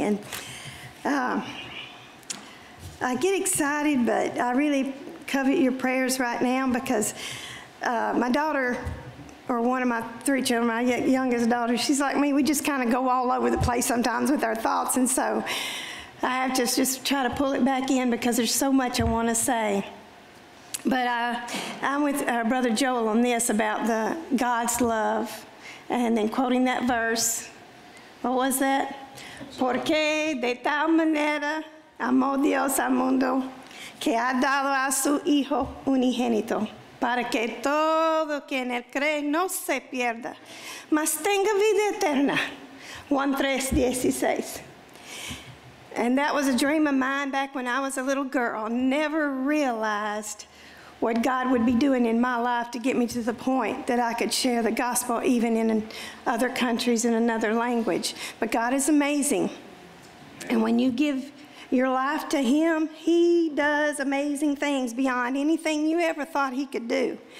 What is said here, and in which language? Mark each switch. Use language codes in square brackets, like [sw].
[en] And I get excited, but I really covet your prayers right now because my daughter, or one of my three children, my youngest daughter, she's like me. We just kind of go all over the place sometimes with our thoughts, and so I have to just try to pull it back in because there's so much I want to say. But I'm with Brother Joel on this about the God's love, and then quoting that verse. What was that? [es] Porque de tal manera amó Dios al mundo que ha dado a su hijo unigénito para que todo quien él cree no se pierda, mas tenga vida eterna. 1:3:16. [en] And that was a dream of mine back when I was a little girl. Never realized what God would be doing in my life to get me to the point that I could share the gospel even in other countries in another language. But God is amazing. And when you give your life to Him, He does amazing things beyond anything you ever thought He could do.